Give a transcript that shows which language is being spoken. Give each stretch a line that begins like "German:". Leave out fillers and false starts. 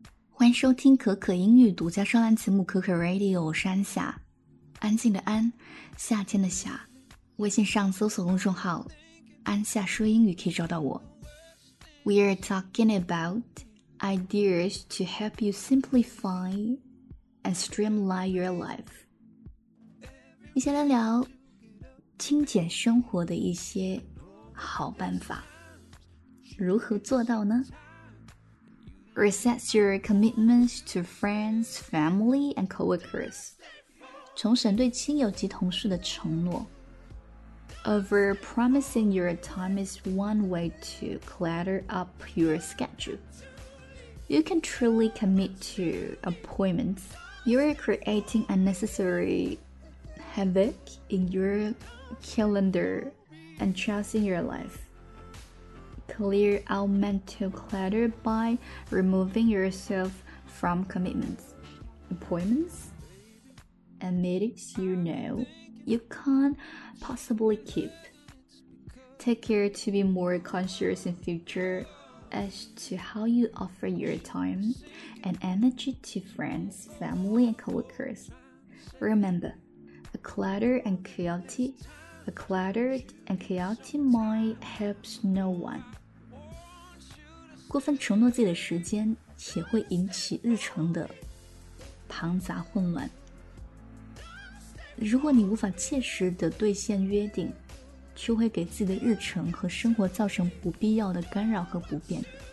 Chinese: 欢迎收听可可英语独家专栏节目《可可 Radio》，我是安夏，安静的安，夏天的夏。微信上搜索公众号“安夏说英语”可以找到我。
English: We are talking about ideas to help you simplify and streamline your life。
Chinese: 一起来聊精简生活的一些好办法，如何做到呢？
English: Reset your commitments to friends, family, and coworkers.
Chinese: 重审对亲友及同事的承诺。
English: Overpromising your time is one way to clutter up your schedule. You can truly commit to appointments. You are creating unnecessary havoc in your calendar and chasing your life. Clear out mental clutter by removing yourself from commitments, appointments, and meetings you know you can't possibly keep. Take care to be more conscious in future as to how you offer your time and energy to friends, family, and coworkers. Remember, a cluttered and chaotic mind helps no one.
Chinese: 过分承诺自己的时间也会引起日程的庞杂混乱。如果你无法切实地兑现约定，就会给自己的日程和生活造成不必要的干扰和不便。